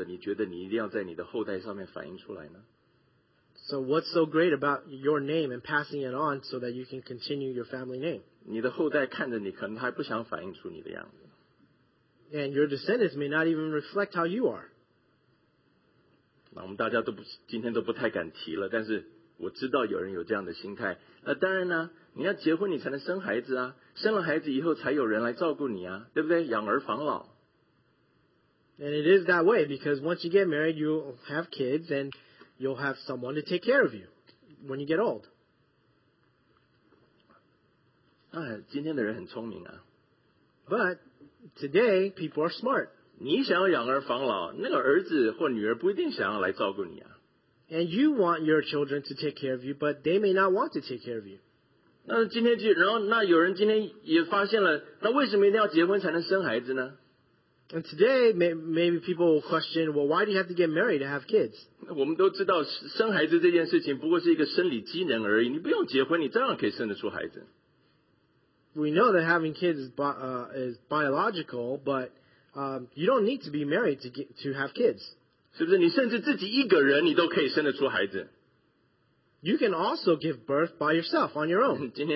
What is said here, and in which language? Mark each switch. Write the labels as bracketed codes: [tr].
[zh] 你的这个家，你的这个姓，你的这个人，你为什么非得要把你自己所拥有的，你觉得你一定要在你的后代上面反映出来呢？ [en] So what's so great about your name and passing it on so that you can continue your family name? [zh] 你的后代看着你，可能还不想反映出你的样子。 [en] And your descendants may not even reflect how you are. [zh] 那我们大家都不，今天都不太敢提了，但是 我知道有人有这样的心态，那当然呢，你要结婚你才能生孩子啊，生了孩子以后才有人来照顾你啊，对不对？养儿防老。And [en] it is that way because once you get married, you'll have kids and you'll have someone to take care of you when you get old. [zh] 哎，今天的人很聪明啊。But [en] today people are smart. [zh] 你想要养儿防老，那个儿子或女儿不一定想要来照顾你啊。 [en] And you want your children to take care of you, but they may not want to take care of you. [zh] 那今天就，然后那有人今天也发现了，那为什么一定要结婚才能生孩子呢？ [en] And today, maybe people will question, well, why do you have to get married to have kids? [zh] 我们都知道生孩子这件事情不过是一个生理机能而已，你不用结婚，你照样可以生得出孩子。 [en] We know that having kids is biological, but you don't need to be married to have kids. [zh] 是不是你甚至自己一个人，你都可以生得出孩子？You [en] can also give birth by yourself on your own.